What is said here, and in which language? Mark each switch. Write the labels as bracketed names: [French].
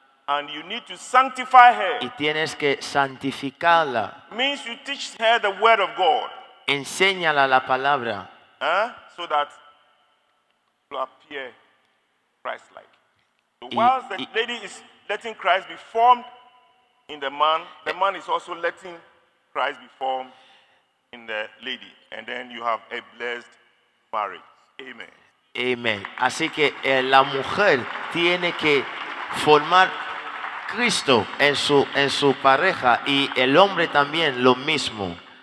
[English] And you need to sanctify her. [Spanish] Y tienes que santificarla. [English] Means you teach her the word of God. [Spanish] Enséñala la palabra. [English] So that you appear Christ-like. So whilst the lady is letting Christ be formed in the man is also letting Christ be formed in the lady, and then you have a blessed marriage. Amen. Amen. [Spanish] Así que la mujer tiene que formar Cristo en su pareja, y el hombre también lo mismo.